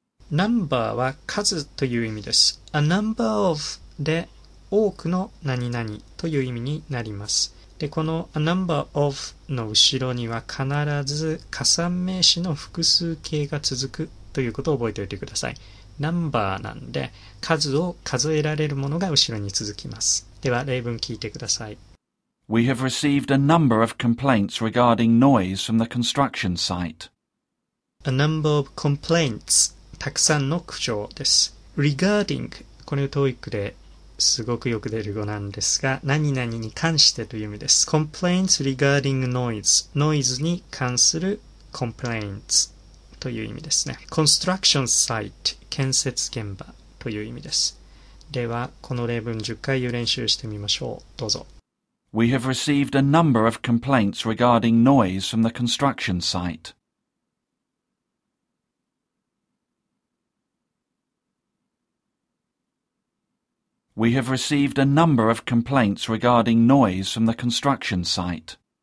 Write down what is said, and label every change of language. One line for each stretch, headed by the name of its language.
Japanese: Number は数という意味です。
English: A number of
Japanese: で多くの何々という意味になります。でこの
English: a number of
Japanese: の後ろには必ず加算名詞の複数形が続くということを覚えておいてください。 number なんで数を数えられるものが後ろに続きます。では例文聞いてください。
English: We have received a number of complaints regarding noise from the construction site. A number of complaints
Japanese: たくさんの苦情です。 regarding これをTOEICですごくよく出る語なんですが何々に関してという意味です
English: Complaints regarding noise
Japanese: ノイズに関する
English: Complaints
Japanese: という意味ですね
English: Construction site
Japanese: 建設現場という意味ですではこの例文10回を練習してみましょうどうぞ
English: We have received a number of complaints regarding noise from the construction siteWe have received a number of complaints regarding noise from the construction site.